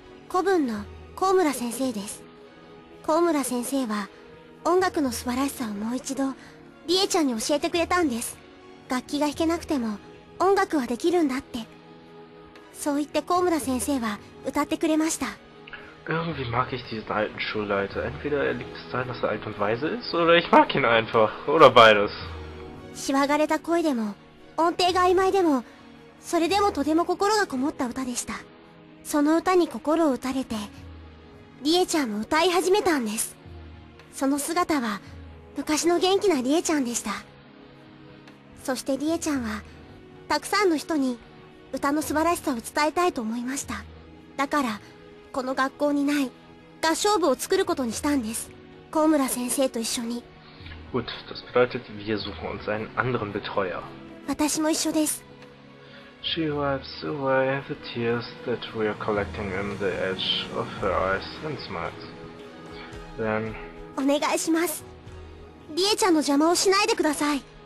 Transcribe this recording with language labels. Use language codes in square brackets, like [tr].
[ja] 古文の高村先生です。高村先生は音楽の素晴らしさをもう一度リエちゃんに教えてくれたんです。楽器が弾けなくても音楽はできるんだって。そう言って高村先生は歌ってくれました。 [de] Irgendwie mag ich diesen alten Schulleiter. Entweder er liegt es daran, dass er alt und weise ist, oder ich mag ihn einfach. Oder beides. [ja] しわがれた声でも、音程が曖昧でも、それでもとても心がこもった歌でした。その歌に心を打たれて、リエちゃんも歌い始めたんです。その姿は、昔の元気なリエちゃんでした。そしてリエちゃんは、たくさんの人に、歌の素晴らしさを伝えたいと思いました。だから、この学校にない合唱部を作ることにしたんです。高村先生と一緒に。 [de] Gut, das bedeutet, wir suchen uns einen anderen Betreuer. [ja] 私も一緒です。 [en] She wipes away the tears that were collecting in the edge of her eyes and smiles. Then, [ja] お願いします。リエちゃんの邪魔をしないでください。